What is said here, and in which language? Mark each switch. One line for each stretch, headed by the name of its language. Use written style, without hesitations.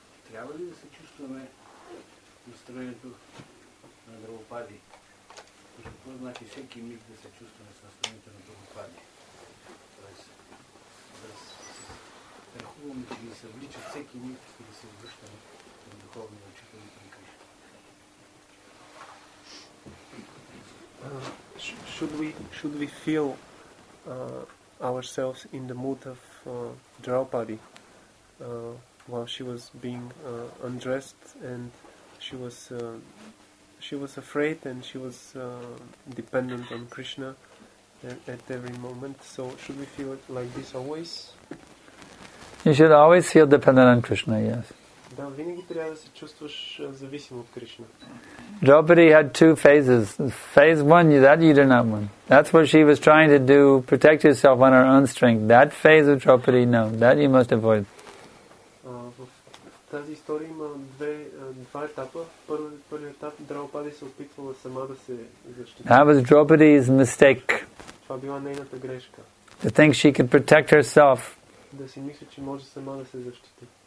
Bulgarian: Трябва ли да се чувстваме настроението на Дръвопади? Какво значи всеки миг да се чувстваме с настроението на Дръвопади? Тоест, да страхуваме, че ни се влича всеки миг и да се обръщаме към духовния учител и към Кришна.
English: Should we feel ourselves in the mood of Draupadi while she was being undressed, and she was afraid, and she was dependent on Krishna at every moment. So should we feel it like this always? You should always feel dependent on Krishna, yes.
Bulgarian: Да, винаги трябва да се чувстваш зависим от Кришна.
English: Draupadi had two phases. Phase one, that you did not want. That's what she was trying to do, protect herself on her own strength. That phase of Draupadi, no, that you must avoid.
Bulgarian: В тази история има два етапа. Първи етап, Draupadi се опитвала сама да се защити.
English: That was Draupadi's mistake.
Bulgarian: Това била нейната грешка.
English: To think she could protect herself.
Bulgarian: Да си мисля, че може сама да се защити.